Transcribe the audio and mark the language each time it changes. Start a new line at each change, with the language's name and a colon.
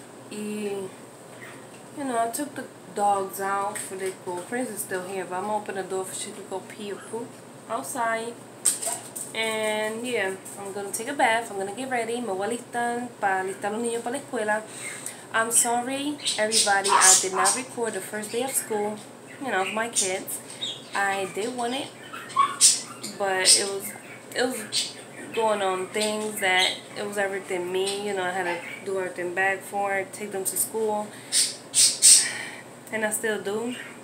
English: Y you know, I took the dogs out for the pool. Prince is still here, but I'm gonna open the door for she to go pee or poop outside. And yeah, I'm gonna take a bath. I'm gonna get ready.
Spanish: Me voy a listar para listar los niños para la escuela.
English: I'm sorry, everybody. I did not record the first day of school. You know, my kids. I did want it, but it was going on things that it was everything me, you know, I had to do everything back for, take them to school, and I still do.